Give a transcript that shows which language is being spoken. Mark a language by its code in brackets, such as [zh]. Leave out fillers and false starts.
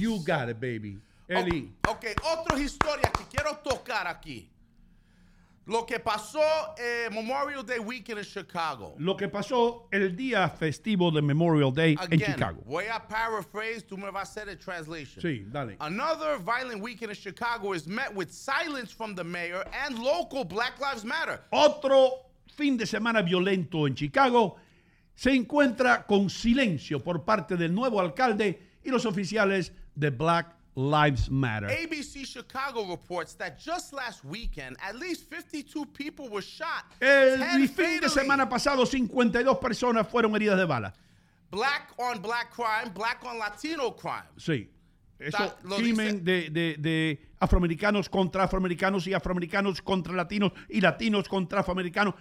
[en] You got it, baby. Eli. [es] Ok, otra historia que quiero tocar aquí. Lo que pasó Memorial Day Weekend en Chicago. Lo que pasó el día festivo de Memorial Day [en] Again, [es] en Chicago. Voy a paraphrase, tú me vas a hacer [en] a translation. [es] Sí, dale. [en] Another violent weekend in Chicago is met with silence from the mayor and local Black Lives Matter. [es] Otro fin de semana violento en Chicago se encuentra con silencio por parte del nuevo alcalde y los oficiales de Black Lives Matter. [en] ABC Chicago reports that just last weekend, at least 52 people were shot. [es] El fin de semana pasado, 52 personas fueron heridas de bala. [en] Black on black crime, black on Latino crime. [es] Sí. Eso, crimen de afroamericanos contra afroamericanos y afroamericanos contra latinos y latinos contra afroamericanos.